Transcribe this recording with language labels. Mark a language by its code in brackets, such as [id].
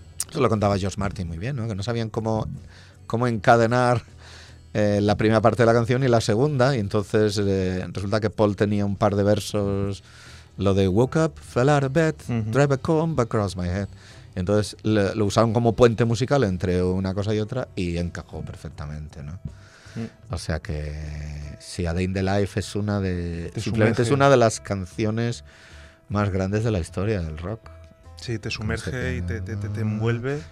[es] Eso lo contaba George Martin muy bien, ¿no? Que no sabían cómo encadenar la primera parte de la canción y la segunda, y entonces resulta que Paul tenía un par de versos. Lo de [en] woke up, fell out of bed, drive back home, back across my head. [es] Entonces lo usaron como puente musical entre una cosa y otra y encajó perfectamente, ¿no? Sí. O sea que sí, A Day in the Life es una de... Es una de las canciones más grandes de la historia del rock. Sí, te sumerge y te envuelve.